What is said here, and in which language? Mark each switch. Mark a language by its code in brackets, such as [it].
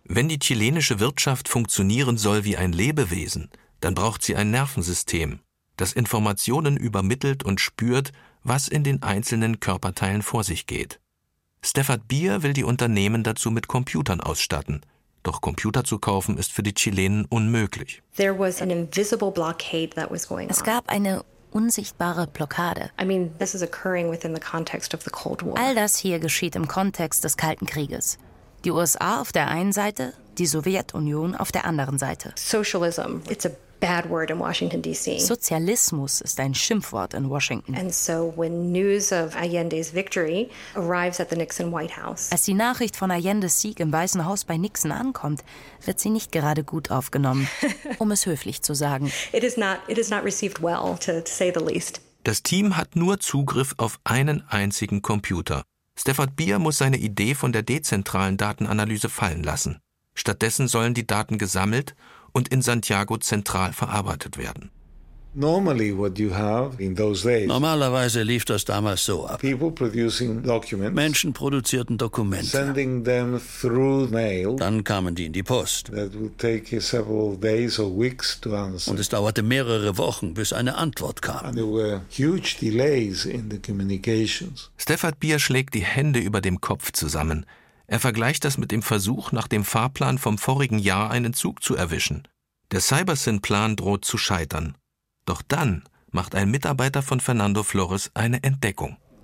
[de] Wenn die chilenische Wirtschaft funktionieren soll wie ein Lebewesen, dann braucht sie ein Nervensystem, das Informationen übermittelt und spürt, was in den einzelnen Körperteilen vor sich geht. Stafford Beer will die Unternehmen dazu mit Computern ausstatten. Doch Computer zu kaufen ist für die Chilenen unmöglich. [en] There was an invisible blockade that was going on. [de] Es gab eine unsichtbare Blockade. [en] I mean, this is occurring within the context of the Cold War. [de] All das hier geschieht im Kontext des Kalten Krieges. Die USA auf der einen Seite, die Sowjetunion auf der anderen Seite. [en] Socialism, it's a bad word in Washington D.C. [de] Sozialismus ist ein Schimpfwort in Washington. [en] And so when news of Allende's victory arrives at the Nixon White House. [de] Als die Nachricht von Allendes Sieg im Weißen Haus bei Nixon ankommt, wird sie nicht gerade gut aufgenommen, um es höflich zu sagen. [en] It is not received well, to say the least. [de] Das Team hat nur Zugriff auf einen einzigen Computer. Stafford Beer muss seine Idee von der dezentralen Datenanalyse fallen lassen. Stattdessen sollen die Daten gesammelt und in Santiago zentral verarbeitet werden. Normalerweise lief das damals so ab. [en] People producing documents, [de] Menschen produzierten Dokumente. [en] Sending them through mail, [de] dann kamen die in die Post. [en] That would take several days or weeks to answer. [de] Und es dauerte mehrere Wochen, bis eine Antwort kam. [en] And there were huge delays in the communications. [de] Stafford Beer schlägt die Hände über dem Kopf zusammen. Er vergleicht das mit dem Versuch, nach dem Fahrplan vom vorigen Jahr einen Zug zu erwischen. Der CyberSyn-Plan droht zu scheitern. Doch dann macht ein Mitarbeiter von Fernando Flores eine Entdeckung.